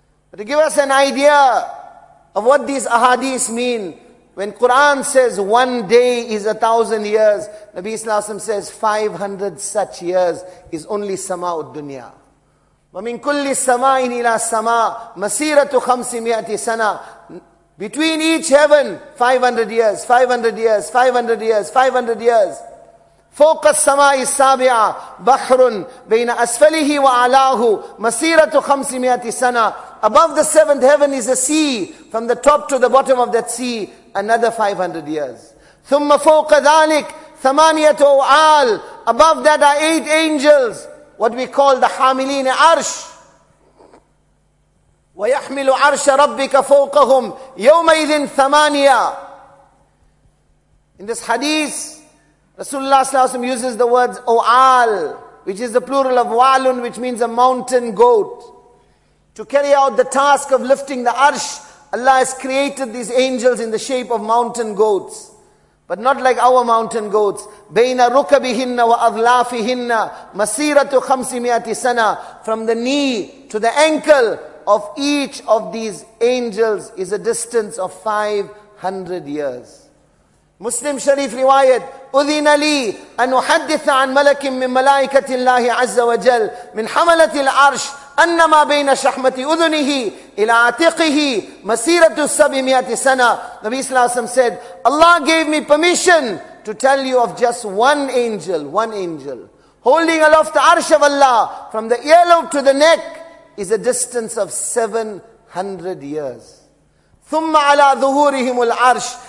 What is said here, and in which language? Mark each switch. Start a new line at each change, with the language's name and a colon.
English: But to give us an idea of what these ahadith mean, when Quran says one day is 1,000 years, Nabi Sallallahu Alaihi Wasallam says 500 such years is only sama'ud dunya.
Arabic: وَمِن كُلِّ سَمَاءٍ إِلَى سَمَاءٍ مَسِيرَةُ خَمْسِمِيَةِ سَنَةٍ.
English: Between each heaven, 500 years, 500 years, 500 years, 500 years.
Arabic: فوق السماء السابعة بحر بين أسفله وعلاه مسيرة 500 سنة.
English: Above the seventh heaven is a sea, from the top to the bottom of that sea, another 500 years.
Arabic: ثم فوق ذلك ثمانية أوعال.
English: Above that are 8 angels, what we call the حاملين عرش.
Arabic: وَيَحْمِلُ عَرْشَ رَبِّكَ فَوْقَهُمْ يَوْمَئِذٍ ثَمَانِيَةٍ.
English: In this hadith, Rasulullah sallallahu alayhi wa sallam uses the words O'al, which is the plural of walun, which means a mountain goat. To carry out the task of lifting the arsh, Allah has created these angels in the shape of mountain goats. But not like our mountain goats.
Arabic: بَيْنَ رُكَبِهِنَّ وَأَظْلَافِهِنَّ مَسِيرَةُ خَمْسِمِيَةِ سَنَةٍ.
English: From the knee to the ankle of each of these angels is a distance of 500 years.
Arabic: مسلم شريف رواية أذن لي أن أحدث عن ملك من ملائكة الله عز وجل من حملة العرش أن ما بين شحمة أذنه إلى عاتقه مسيرة 700 سنة.
English: النبي صلى الله عليه وسلم said, Allah gave me permission to tell you of just one angel holding aloft the arsh of Allah from the earlobe to the neck is a distance of 700 years.
Arabic: ثم على ظهورهم العرش.